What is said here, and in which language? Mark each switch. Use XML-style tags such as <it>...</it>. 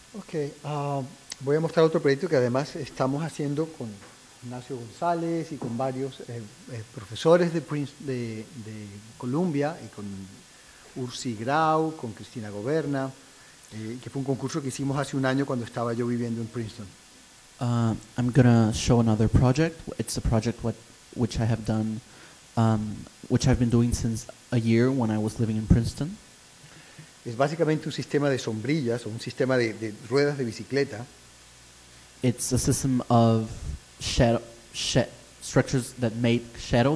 <es>Voy a mostrar otro proyecto que además estamos haciendo con Ignacio González y con varios profesores de Colombia y con Ursi Grau, con Cristina Goberna, que fue un concurso que hicimos hace un año cuando estaba yo viviendo en Princeton.</es> <en>I'm going to show another project. It's a project which I have done, which I've been doing since a year when I was living in Princeton.</en> <es>Es básicamente un sistema de sombrillas o un sistema de ruedas de bicicleta.</es> <en>It's a system of structures that make shadow.</en>